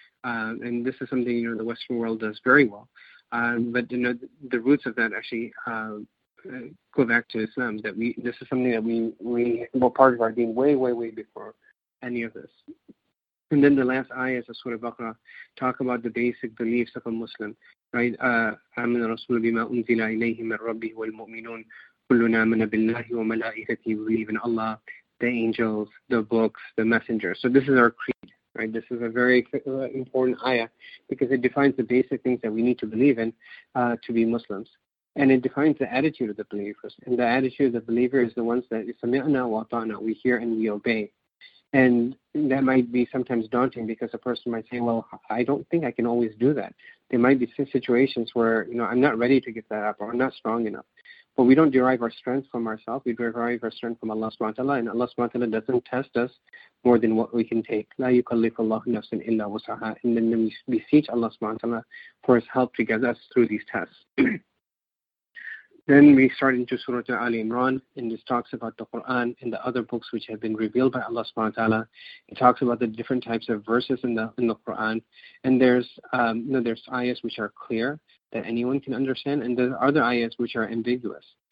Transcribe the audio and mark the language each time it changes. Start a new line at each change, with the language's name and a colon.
English: And this is something, you know, the Western world does very well. But you know, the roots of that actually go back to Islam. That we, this is something that we were part of our deen way, way, way before any of this. And then the last ayahs of Surah Baqarah talk about the basic beliefs of a Muslim, right?
Arabic: آمن الرسول بما أنزل إليه من ربه والمؤمنون كلنا آمن بالله وملائكته.
English: We believe in Allah, the angels, the books, the messengers. So this is our creed, right? This is a very important ayah because it defines the basic things that we need to believe in to be Muslims. And it defines the attitude of the believers. And the attitude of the believer is the ones that
Arabic: سَمِعْنَا وَطَعْنَا,
English: we hear and we obey. And that might be sometimes daunting because a person might say, well, I don't think I can always do that. There might be situations where, you know, I'm not ready to give that up or I'm not strong enough. But we don't derive our strength from ourselves. We derive our strength from Allah subhanahu wa ta'ala. And Allah subhanahu wa ta'ala doesn't test us more than what we can take.
Arabic: لا يكلف الله نفسا إلا وسعها.
English: And then we beseech Allah subhanahu wa ta'ala for his help to get us through these tests. Then we start into Surah Ali Imran, and this talks about the Quran and the other books which have been revealed by Allah subhanahu wa ta'ala. It talks about the different types of verses in the Quran. And there's you know, there's ayahs which are clear that anyone can understand, and there are other ayahs which are ambiguous.